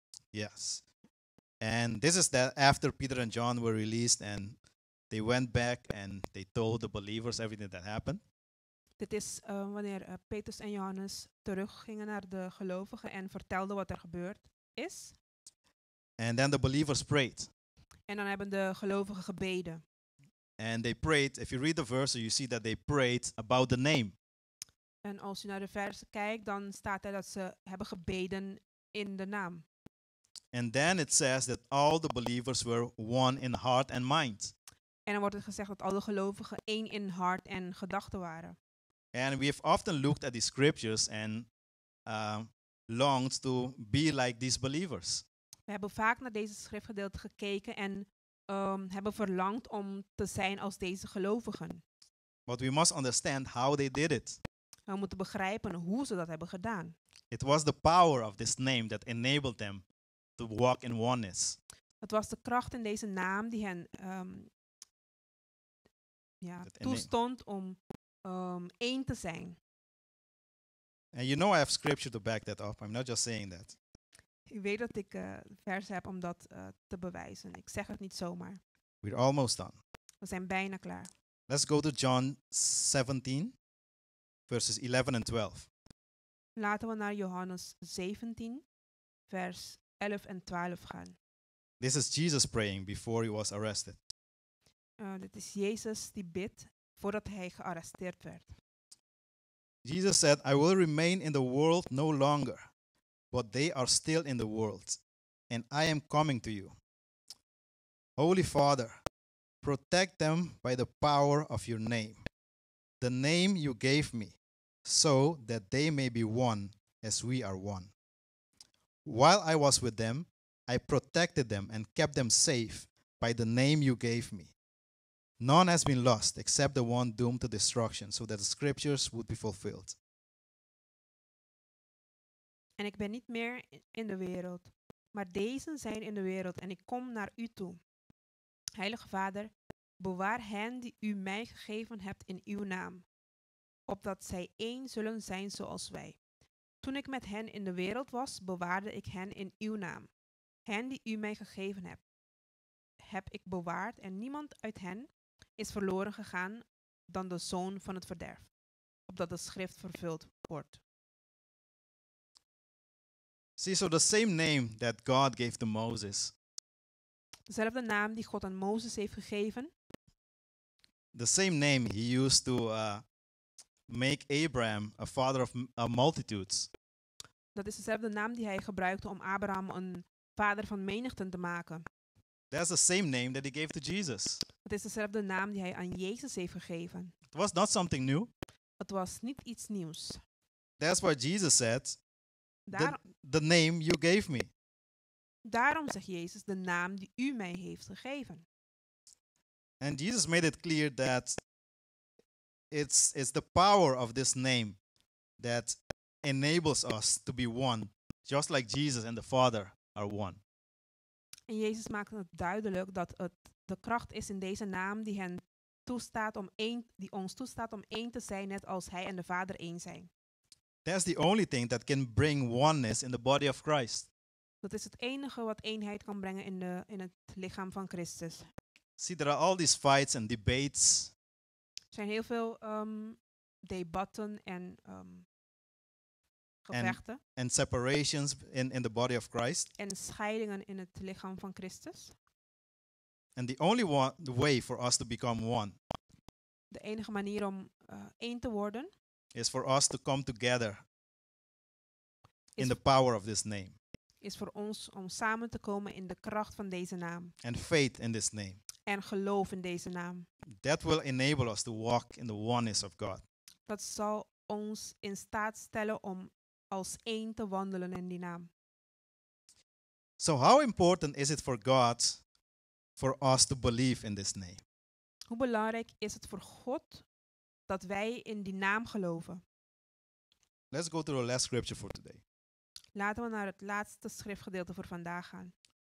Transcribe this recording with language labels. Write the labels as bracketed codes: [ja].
[en] Yes. And this is that after Peter and John were released and they went back and they told the believers everything that happened. [nl] Dit is wanneer Petrus en Johannes teruggingen naar de gelovigen en vertelden wat er gebeurd is. [en] And then the believers prayed. [nl] En dan hebben de gelovigen gebeden. [en] And they prayed. If you read the verse, you see that they prayed about the name. [nl] En als je naar de vers kijkt, dan staat er dat ze hebben gebeden in de naam. [en] And then it says that all the believers were one in heart and mind. [nl] En dan wordt het gezegd dat alle gelovigen één in hart en gedachten waren. [en] And we have often looked at the scriptures and longed to be like these believers. [nl] We hebben vaak naar deze schriftgedeelte gekeken en hebben verlangd om te zijn als deze gelovigen. [en] But we must understand how they did it. [nl] We moeten begrijpen hoe ze dat hebben gedaan. [en] It was the power of this name that enabled them to walk in oneness. [nl] Het was de kracht in deze naam die hen toestond om één te zijn. [en] And you know I have scripture to back that up. I'm not just saying that. [nl] Ik weet dat ik versen heb om dat te bewijzen. Ik zeg het niet zomaar. [en] We're almost done. [nl] We zijn bijna klaar. [en] Let's go to John 17, verses 11 and 12. [nl] Laten we naar Johannes 17, vers 11 en 12 gaan. [en] This is Jesus praying before he was arrested. [nl] Dit is Jezus die bidt voordat hij gearresteerd werd. [en] Jesus said, I will remain in the world no longer, but they are still in the world, and I am coming to you. Holy Father, protect them by the power of your name, the name you gave me, so that they may be one as we are one. While I was with them, I protected them and kept them safe by the name you gave me. None has been lost except the one doomed to destruction, so that the scriptures would be fulfilled. [nl] En ik ben niet meer in de wereld, maar deze zijn in de wereld en ik kom naar u toe. Heilige Vader, bewaar hen die u mij gegeven hebt in uw naam, opdat zij één zullen zijn zoals wij. Toen ik met hen in de wereld was, bewaarde ik hen in uw naam. Hen die u mij gegeven hebt, heb ik bewaard en niemand uit hen is verloren gegaan dan de zoon van het verderf, opdat de schrift vervuld wordt. [en] See, so the same name that God gave to Moses. [nl] Dezelfde naam die God aan Mozes heeft gegeven. [en] The same name he used to make Abraham a father of multitudes. [nl] Dat is dezelfde naam die hij gebruikte om Abraham een vader van menigten te maken. [en] That's the same name that he gave to Jesus. [nl] Dat is dezelfde naam die hij aan Jezus heeft gegeven. [en] It was not something new. [nl] Het was niet iets nieuws. [en] That's what Jesus said. The name you gave me. [nl] Daarom zegt Jezus de naam die u mij heeft gegeven. [en] And Jesus made it clear that it's the power of this name that enables us to be one, just like Jesus and the Father are one. [nl] En Jezus maakte het duidelijk dat het de kracht is in deze naam die hen toestaat om één, die ons toestaat om één te zijn, net als Hij en de Vader één zijn. [en] That's the only thing that can bring oneness in the body of Christ. [nl] Dat is het enige wat eenheid kan brengen in de in het lichaam van Christus. [en] See, there are all these fights and debates. [nl] Er zijn heel veel debatten en gevechten. [en] And separations in the body of Christ. [nl] En scheidingen in het lichaam van Christus. [en] And the only one, the way for us to become one. [nl] De enige manier om één te worden. [en] Is for us to come together in the power of this name. [nl] Is voor ons om samen te komen in de kracht van deze naam. [en] And faith in this name. [nl] En geloof in deze naam. [en] That will enable us to walk in the oneness of God. [nl] Dat zal ons in staat stellen om als één te wandelen in die naam. [en] So how important is it for God for us to believe in this name? [nl] Hoe belangrijk is het voor God dat wij in die naam geloven. [en] Let's go to the last scripture for today. [nl] Laten we naar het laatste schriftgedeelte voor vandaag gaan.